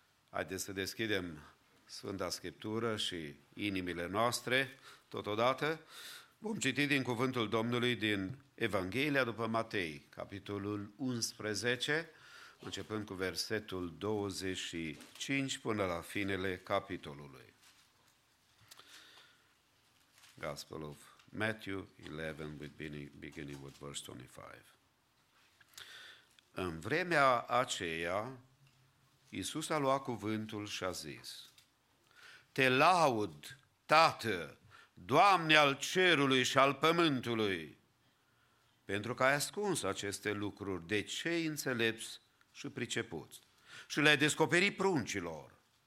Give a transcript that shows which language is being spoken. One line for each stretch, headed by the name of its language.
Romanian: Haideți să deschidem Sfânta Scriptură și inimile noastre totodată. Vom citi din Cuvântul Domnului din Evanghelia după Matei, capitolul 11, începând cu versetul 25 până la finele capitolului.
English: Gospel of Matthew 11, beginning with verse 25.
Romanian: În vremea aceea, Iisus a luat cuvântul și a zis: Te laud, Tată, Doamne al cerului și al pământului, pentru că ai ascuns aceste lucruri de cei înțelepți și pricepuți și le-ai descoperit pruncilor.